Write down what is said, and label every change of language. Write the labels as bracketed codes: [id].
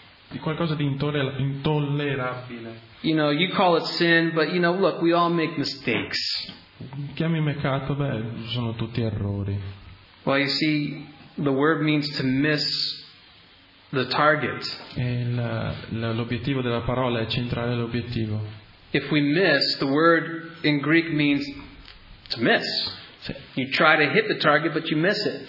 [it] Di qualcosa di intollerabile. [en] You know, you call it sin, but you know, look, we all make mistakes. [it] Chiami peccato, beh, sono tutti errori. [en] Well, you see, the word means to miss the target. [it] L'obiettivo della parola è centrare l'obiettivo. [en] If we miss, the word in Greek means to miss. You try to hit the target, but you miss it.